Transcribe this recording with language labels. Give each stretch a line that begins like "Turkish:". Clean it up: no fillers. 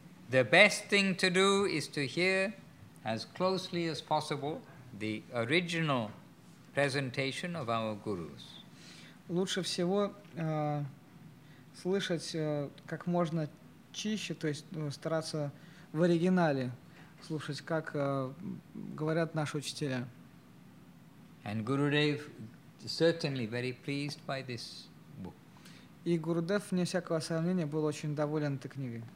English: The best thing to do is to hear as closely as possible the original presentation of our gurus.
Russian: Лучше всего слышать как можно чище, то есть стараться в оригинале слушать, как говорят наши учителя.
English: And Gurudev certainly very pleased by this book.
Russian: И Гурудев, вне всякого сомнения, был очень доволен этой книгой.